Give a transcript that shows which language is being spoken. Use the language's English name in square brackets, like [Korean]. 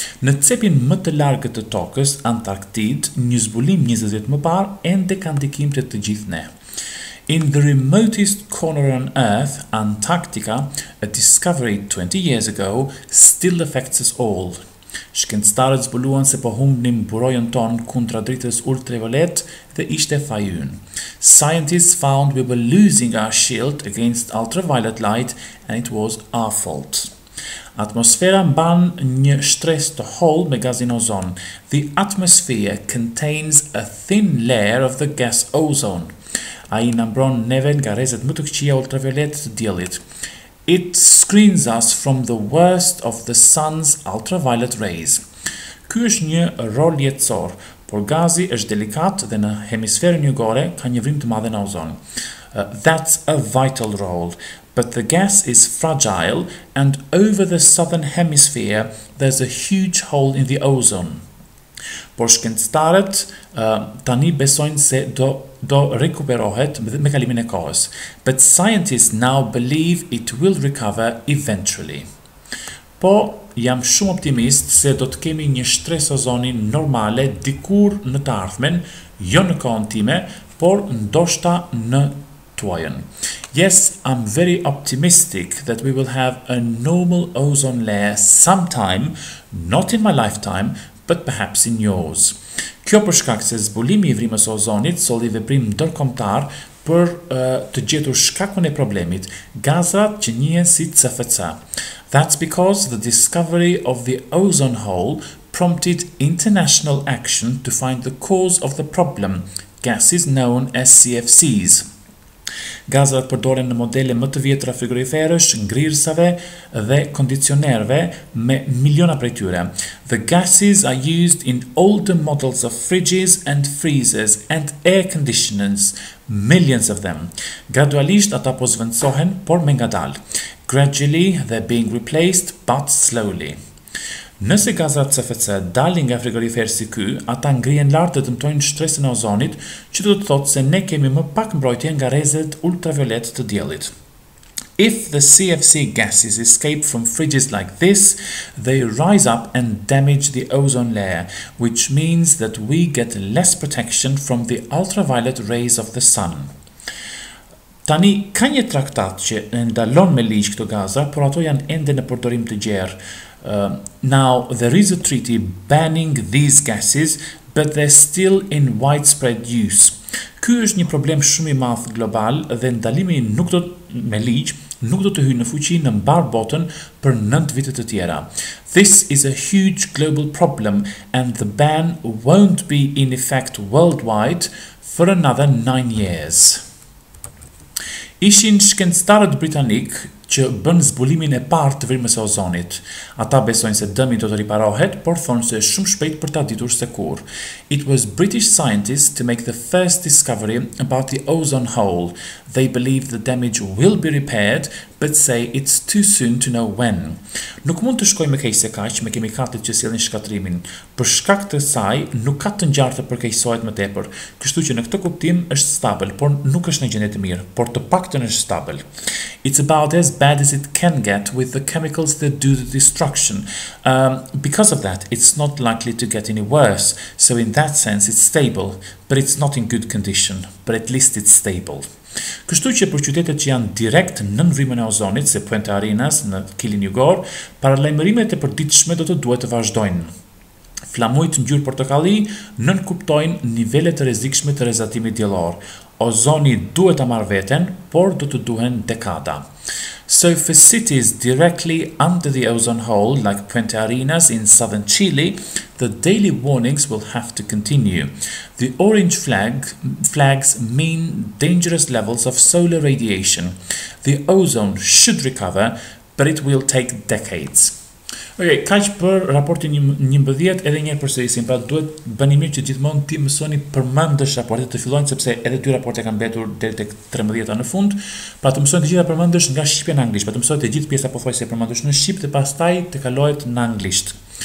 [Albanian] Në cepin më të largët të tokës, Antarktid, një zbulim 20 vjet më parë, ende ka ndikim të gjithë ne. [English] In the remotest corner on Earth, Antarctica, a discovery 20 years ago, still affects us all. [Albanian] Shkencëtarët zbuluan se po humbnim burojën tonë kundra dritës ultraviolet dhe ishte fajyn. [English] Scientists found we were losing our shield against ultraviolet light and it was our fault. [Albanian] Atmosfera mban një shtres të hollë me gazin ozon. [English] The atmosphere contains a thin layer of the gas ozone. [Albanian] Ai na mbron neve nga rrezet më të këqija ultraviolet të diellit. [English] It screens us from the worst of the sun's ultraviolet rays. [Albanian] Ky është një rol jetësor, por gazi është delikat dhe në hemisferën jugore ka një vrim të madhe në ozon. [English] That's a vital role, but the gas is fragile and over the southern hemisphere there's a huge hole in the ozone. [Albanian] Por shkencëtarët tani besojnë se do rekuperohet me kalimin e kohës. [English] But scientists now believe it will recover eventually. [Albanian] Po, jam shumë optimist se do të kemi një shtres ozoni normale dikur në të ardhmen, jo në kohën time, por ndoshta në tuajën. [English] Yes, I'm very optimistic that we will have a normal ozone layer sometime, not in my lifetime, but perhaps in yours. [Albanian] Kjo për shkak se zbulimi i vrimës ozonit solli veprim ndërkombëtar për të gjetur shkakun e problemit, gazrat që njihen si CFC. [English] That's because the discovery of the ozone hole prompted international action to find the cause of the problem, gases known as CFCs. [Albanian] Gazrat përdoren në modele më të vjetra frigoriferësh, ngrirësave dhe kondicionerve me miliona prej tyre. [English] The gases are used in older models of fridges and freezers and air conditioners, millions of them. [Albanian] Gradualisht ata po zvendësohen, por me ngadalë. [English] Gradually they're being replaced, but slowly. [Albanian] Nëse gazrat CFC dalin nga frigoriferë si ky, ata ngrihen lart dhe dëmtojnë shtresën e ozonit, që do të thotë se ne kemi më pak mbrojtje nga rrezet ultraviolet të diellit. [English] If the CFC gases escape from fridges like this, they rise up and damage the ozone layer, which means that we get less protection from the ultraviolet rays of the sun. [Albanian] Tani, ka një traktat që ndalon me ligj këto gazra, por ato janë ende në përdorim të gjerë. [English] Now, there is a treaty banning these gases, but they're still in widespread use. [Albanian] Ky është një problem shumë i madh global dhe ndalimi nuk do me ligj, nuk do të hyjë në fuqi në mbar botën për 9 vite të tjera. [English] This is a huge global problem and the ban won't be in effect worldwide for another 9 years. [Albanian] Ishin shkencëtarët britanik që bën zbulimin e parë të vrimës e ozonit. Ata besojnë se dëmi do të riparohet, por thonë se shumë shpejt për ta ditur se kur. [English] It was British scientists to make the first discovery about the ozone hole. They believe the damage will be repaired, but say it's too soon to know when. [Albanian] Nuk mund të shkojmë keq se kaq me kimikatet që sillin shkatrimin. Për shkak të saj, nuk ka të ngjarë për keqësohet më tepër. Kështu që në këtë kuptim është stabil, por nuk është në gjendje të mirë, por të paktën është stabil. [English] It's about as bad as it can get with the chemicals that do the destruction. Because of that, it's not likely to get any worse. So in that sense, it's stable, but it's not in good condition, but at least it's stable. [Albanian] Kështu që për qytetet që janë direkt nën vrimën e ozonit, se Puente Arenas në Killin Jugor, paralajmërimet e përditshme do të duhet të vazhdojnë. Flamujt ngjyrë portokalli nënkuptojnë nivele të rrezikshme të rrezatimit diellor. Ozoni duhet ta marr veten, por do të duhen dekada. [English] So for cities directly under the ozone hole, like Puente Arenas in southern Chile, the daily warnings will have to continue. The orange flags mean dangerous levels of solar radiation. The ozone should recover, but it will take decades. [Albanian] Okay, kaq për raportin 11, edhe njëherë përsërisim, pra duhet bëni mirë që gjithmonë ti mësoni përmendësh raportet të fillojnë, sepse edhe dy raporte kanë mbetur deri tek 13-a në fund, pra të mësoni të gjitha përmendësh nga shqipja në anglisht, pra të mësoni të gjithë pjesa pothuajse përmendësh në shqip dhe pastaj të kalohet në anglisht.